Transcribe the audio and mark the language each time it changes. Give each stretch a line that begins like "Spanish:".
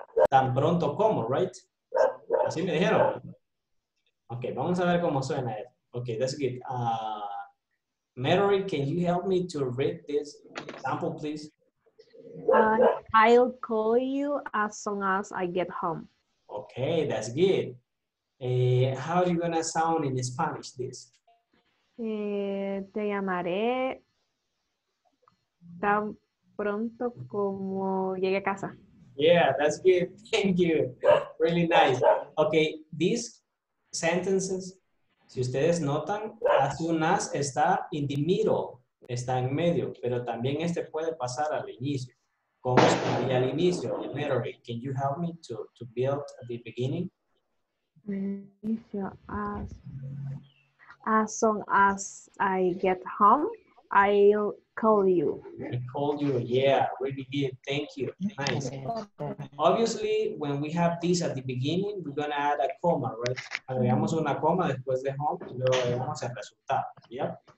Spanish: Tan pronto como, right? Así me dijeron. Ok, vamos a ver cómo suena.
English: Ok, that's good. Mary, can you help me to read this example, please? I'll call you as soon as I get home. Ok, that's good. How are you going to sound in Spanish this?
Spanish: Te llamaré tan pronto como llegue a casa.
English: Yeah, that's good. Thank you. Really nice. Okay, these sentences,
Spanish: si ustedes notan,
English: as soon as está in the middle,
Spanish: está en medio, pero también este puede pasar al inicio. ¿Cómo estaría al inicio?
English: Literally, can you help me to build at the beginning? Inicio, as soon as I get home, I'll call you. I call you, yeah, really good, thank you, nice. Obviously, when we have this at the beginning, we're gonna add a comma, right?
Spanish: Agregamos una coma después de home, y luego agregamos el resultado, yeah?